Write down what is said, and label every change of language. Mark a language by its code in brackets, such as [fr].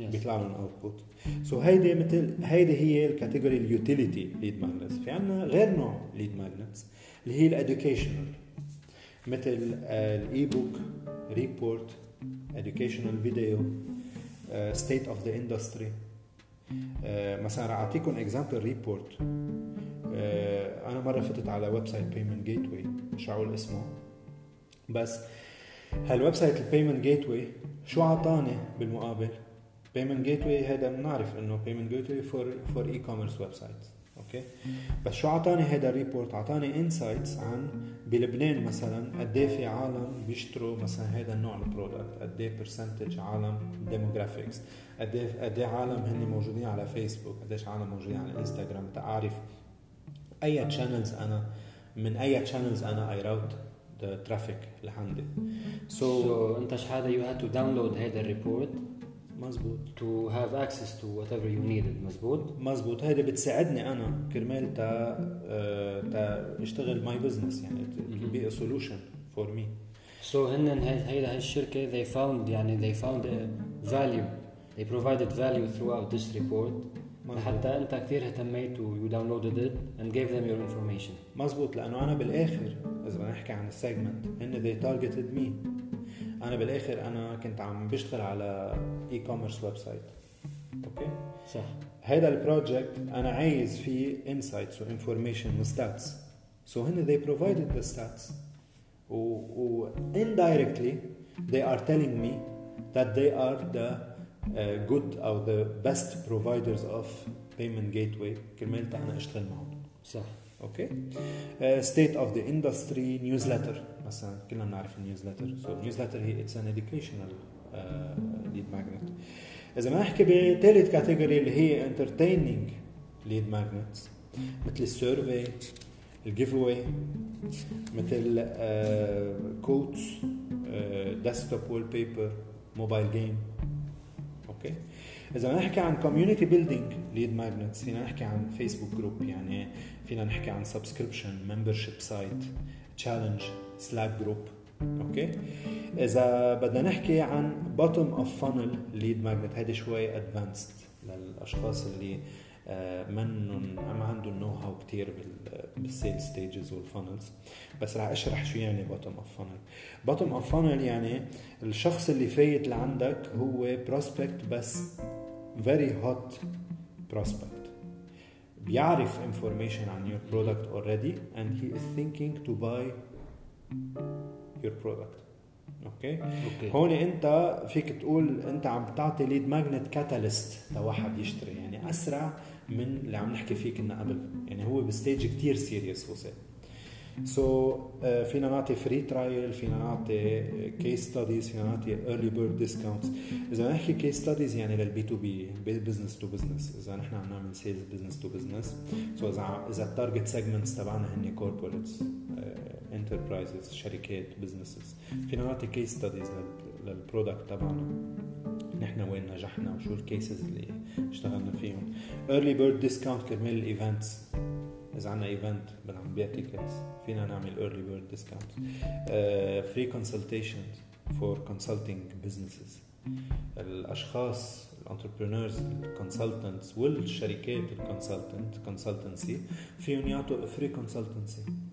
[ar] بيطلع لهم output. So هيدي مثل هيدي هي الكاتيجوري utility lead magnets. [en] في عنا غير نوع lead magnets اللي هي educational مثل e-book, report, educational video, state of the industry. [ar] مثلا أعطيكم example report. أنا مرة فتت على website payment gateway مش عقول اسمه, بس هالwebsite payment gateway شو عطاني بالمقابل؟ payment gateway هذا بنعرف إنه [en] payment gateway for e-commerce websites. [ar] أوكي بس شو عطاني هذا report؟ عطاني insights عن بلبنان مثلا قدي في عالم بيشتروا مثلا هذا النوع البرودكت, قدي percentage عالم demographics, قدي عالم هني موجودين على فيسبوك, قديش عالم موجودين على انستغرام, تعرف اي channels انا من اي channels انا [en] I route the traffic [ar] لحندي. [en] So انت شهادة you had to download هذا report [ar] مزبوط [en] to have access to whatever you needed. [ar] مزبوط هيدا بتساعدني انا كرمال تا اشتغل [en] my business يعني to be a solution for me. So [ar] هن هيدا هالشركة [en] they found a value, they provided value throughout this report. [ar] مزبوط. حتى انت كثير اهتميت و [en] you downloaded it and gave them your information. [ar] مزبوط لانه انا بالاخر اذا بنحكي عن السيجمنت هن [en] they targeted me, [ar] انا بالاخر انا كنت عم بشتغل على e-commerce website. اوكي صح, هذا البروجكت انا عايز فيه [en] insights و information و stats, so هن they provided the stats و indirectly they are telling me that they are the good or the best providers of payment gateway [ar] كرمال انا اشتغل معهم. صح. [en] Okay state of the industry newsletter مثلا, كلنا نعرف النيوزلتر. So newsletter هي it's an educational lead magnet. إذا ما نحكي بثالث كاتيجوري اللي هي entertaining lead magnets مثل survey, giveaway, مثل quotes, desktop wallpaper, mobile game. [ar] أوكي. [en] إذا ما نحكي عن community building lead magnets فينا نحكي عن Facebook group, يعني فينا نحكي عن subscription, membership site, challenge, slack group. [ar] أوكي. إذا بدنا نحكي عن [en] bottom of funnel lead magnet [ar] هذا شوي advanced للأشخاص اللي ما عندهم know-how كتير بالsale stages والfunnels, بس رح أشرح شو يعني bottom of funnel. [en] bottom of funnel [ar] يعني الشخص اللي فايت لعندك هو [en] prospect, بس very hot prospect, بيعرف information عن your product already and he is thinking to buy your product. [ar] أوكي. هون انت فيك تقول انت عم تعطي [en] lead magnet catalyst [ar] لواحد يشتري, يعني أسرع من اللي عم نحكي فيه كنا قبل, يعني هو بستيج كتير سيريس وصل. [en] So فينا نعطي free trial, فينا نعطي case studies, فينا نعطي early bird discounts. [ar] إذا نحكي case studies يعني للبي تو بي, business to business, إذا نحن عم نعمل sales business to business. [en] So إذا target segments تبعنا هني corporates, enterprises, شركات, businesses, فينا نعطي case studies [ar] للبرودكت تبعنا نحن وين نجحنا وشو الكيسز اللي اشتغلنا فيهم. [en] early bird discount كرمال الايفنتس. [ar] إذا عنا إيفنت بدنا نبيع تيكتس فينا نعمل early bird discount. [en] free consultations for consulting businesses. [ar] الأشخاص الانتربرنورز الكونسلتنتس والشركات الكونسلتنت كونسلتنسي فيهم يعطوا free consultancy